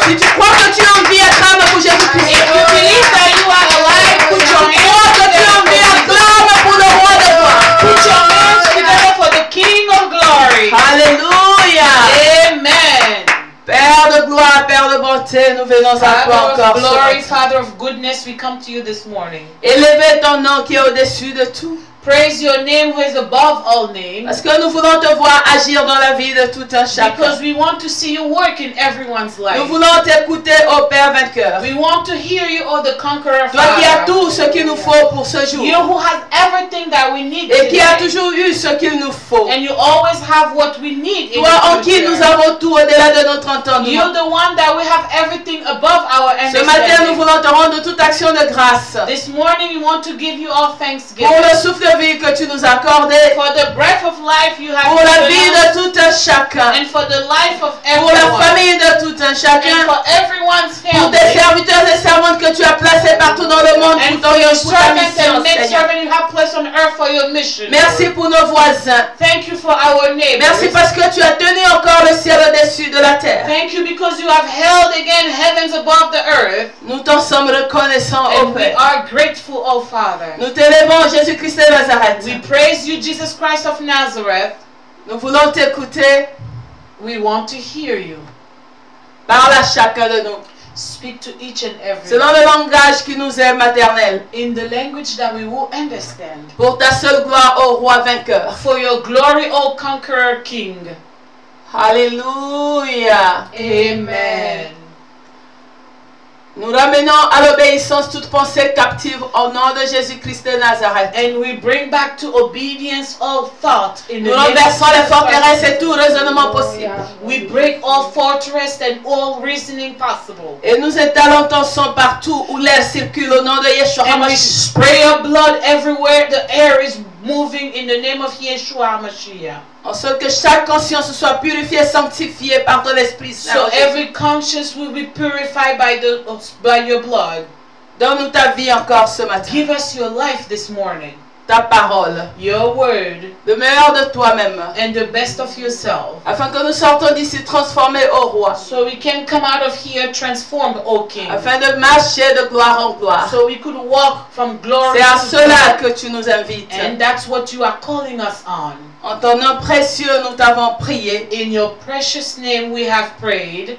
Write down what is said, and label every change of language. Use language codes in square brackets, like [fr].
[fr] Si tu crois que tu es en vie, acclame pour Jésus-Christ. [en] If you believe that you are alive, put your hands together. [fr] Tu es en vie, acclame pour le roi de gloire. [en] Put your hands together for the King of glory. [fr] Alléluia. Amen. Père de gloire, Père de bonté, nous venons à toi encore. [en] Glory, Father of goodness, we come to you this morning. [fr] Élevez ton nom qui est au-dessus de tout. [en] Praise your name who is above all names. [fr] Parce que nous voulons te voir agir dans la vie de tout un chacun. [en] Because we want to see you work in everyone's life. [fr] Nous voulons t'écouter, ô Père vainqueur. [en] We want to hear you, O the conqueror. [fr] Toi qui as tout ce qu'il nous faut pour ce jour. [en] You who have everything that we need. [fr] Et qui a toujours eu ce qu'il nous faut. [en] And you always have what we need. [fr] Toi en qui nous avons tout au-delà de notre entendement. [en] You're the one that we have everything above our understanding. [fr] Ce matin, nous voulons te rendre toute action de grâce. [en] This morning, we want to give you all thanksgiving. [fr] Pour le souffle vie que tu nous accordes, [en] for the breath of life you have [fr] pour la vie de tout un chacun, [en] and for the life of everyone, [fr] pour la famille de tout un chacun, [en] and for everyone's family, [fr] pour des serviteurs et servantes que tu as placés partout dans le monde, [en] and [fr] pour ton mission, [en] and men servant you have placed on earth for your mission. [fr] Merci pour nos voisins. [en] Thank you for our neighbors. [fr] Merci parce que tu as tenu encore le ciel au-dessus de la terre. [en] Thank you because you have held again heavens above the earth. [fr] Nous t'en sommes reconnaissants, [en] and we are grateful, O Father. [fr] Nous t'élevons, Jésus Christ. [en] We praise you, Jesus Christ of Nazareth. [fr] Nous voulons t'écouter. [en] We want to hear you. [fr] Parle à chacun de nous. [en] Speak to each and every. [fr] Selon le langage qui nous est maternel. [en] In the language that we will understand. [fr] Pour ta seule gloire, ô roi vainqueur. [en] For your glory, O conqueror king. Hallelujah. Amen. [fr] Nous ramenons à l'obéissance toute pensée captive au nom de Jésus-Christ de Nazareth. [en] And we bring back to obedience all thought in [fr] nous renversons les forteresses et tout raisonnement possible. [en] We break all fortress and all reasoning possible. [fr] Et nous étalons ton sang partout où l'air circule au nom de Yeshua [he] HaMashiach. [en] And we spray your blood everywhere the air is moving in the name of Yeshua HaMashiach. [fr] En sorte que chaque conscience soit purifiée, sanctifiée par ton esprit. [en] So every conscience will be purified by your blood. [fr] Donne-nous ta vie encore ce matin. [en] Give us your life this morning. [fr] ta parole, [en] your word, [fr] le meilleur de toi-même, [en] and the best of yourself, [fr] afin que nous sortons d'ici transformés, ô roi, [en] so we can come out of here transformed, ô king, [fr] afin de marcher de gloire en gloire, [en] so we could walk from glory to glory. [fr] C'est à cela que tu nous invites, [en] and that's what you are calling us on. [fr] En ton nom précieux, nous t'avons prié. [en] In your precious name, we have prayed.